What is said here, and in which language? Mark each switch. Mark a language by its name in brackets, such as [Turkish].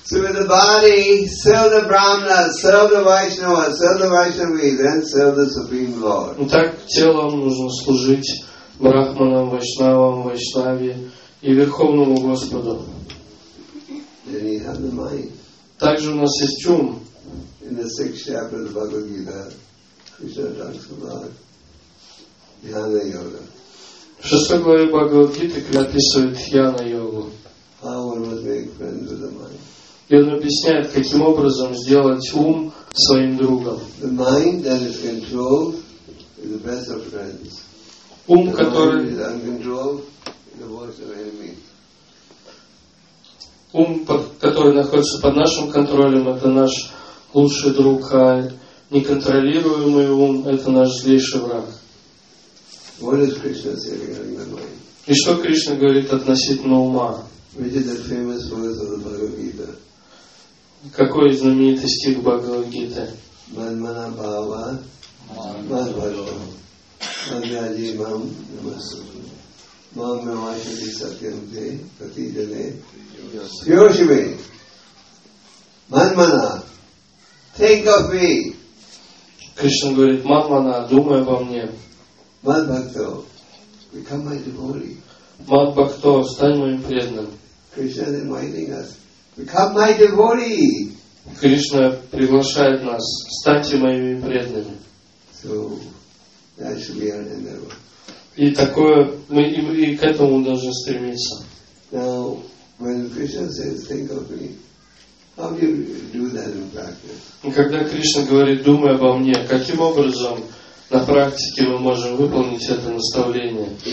[English] So with the body, serve the Brahmana, serve the Vaishnava, serve the Vaishnavi, then serve the Supreme Lord. [Russian] Итак, телом нужно служить Брахманам, Вайшнавам, Вайшнаве и Верховному Господу. [English] Then you have the mind. [Russian] Также у нас есть ум. [English] in the sixth chapter of the Bhagavad Gita, Krishna talks about Dhyana Yoga. [Russian] В шестой главе Бхагавад Гиты описывает Дхьяна Йогу. [English] How one must make friends with the mind. [Russian] И он объясняет, каким образом сделать ум своим другом. [English] The mind that is controlled is the best of friends. [Russian] Ум, который... [English] The mind is uncontrolled, the worst of enemies. [Russian] Ум, который находится под нашим контролем, это наш лучший друг, а неконтролируемый ум – это наш злейший враг. [English] What is Krishna saying regarding the mind? [Russian] И что Кришна говорит относительно ума? [English] Which is the famous words of the Bhagavad Gita? [Russian] Какой знаменитый стих Бхагавад Гиты? [Sanskrit] Манмана Бхава Манбашам Манмяди Мам Намасам Мамнавашади Сатьямте Патиджане Пьёшиме Манмана [English] Think of me. [Russian] Кришна говорит, Манмана, думай обо мне. [English] Манбхакто, become my devotee. [Russian] Манбхакто, стань моим преданным. [English] Krishna is inviting us. Become my devotee. [Russian] Кришна приглашает нас, станьте моими преданными. [English] So, that should be our endeavor. [Russian] И такое, мы и к этому должны стремиться. [English] Now, when Krishna says, think of me, how do you do that in practice? [Russian] Когда Кришна говорит, думай обо мне, каким образом на практике мы можем выполнить это наставление.